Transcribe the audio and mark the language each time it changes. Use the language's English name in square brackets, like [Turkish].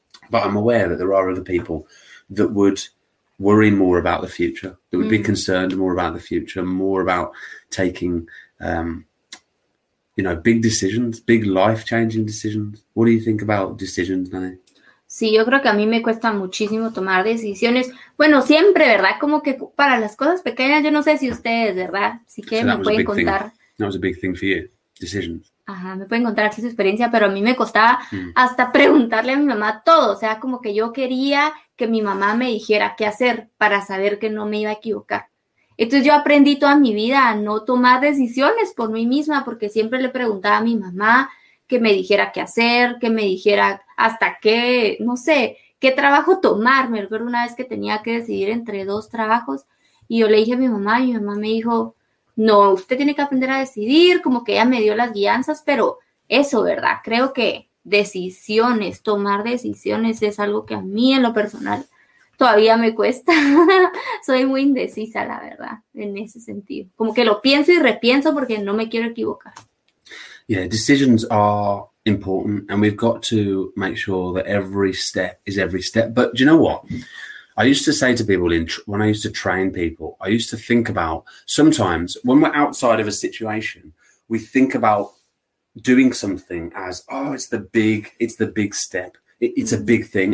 [English] But I'm aware that there are other people that would worry more about the future, that would be concerned more about the future, more about taking, you know, big decisions, big life-changing decisions. What do you think about decisions, Nani? [Spanish] Sí, yo creo que a mí me cuesta muchísimo tomar decisiones. Bueno, siempre, ¿verdad? Como que para las cosas pequeñas, yo no sé si ustedes, ¿verdad? Si quieren, me pueden contar. [English] That was a big thing for you, decisions. [Spanish] Ajá, me pueden contar su experiencia, pero a mí me costaba hasta preguntarle a mi mamá todo. O sea, como que yo quería que mi mamá me dijera qué hacer para saber que no me iba a equivocar. Entonces, yo aprendí toda mi vida a no tomar decisiones por mí misma porque siempre le preguntaba a mi mamá que me dijera qué hacer, que me dijera hasta qué, no sé, qué trabajo tomar. Me acuerdo una vez que tenía que decidir entre dos trabajos y yo le dije a mi mamá me dijo, no, usted tiene que aprender a decidir, como que ella me dio las guianzas, pero eso, ¿verdad? Creo que decisiones, tomar decisiones es algo que a mí en lo personal todavía me cuesta. Soy muy indecisa, la verdad, en ese sentido. Como que lo pienso y repienso porque no me quiero equivocar. [English] Yeah, decisions are important and we've got to make sure that every step is every step. But do you know what? I used to say to people when I used to train people, I used to think about sometimes when we're outside of a situation, we think about doing something as, oh, it's the big step. It's a big thing.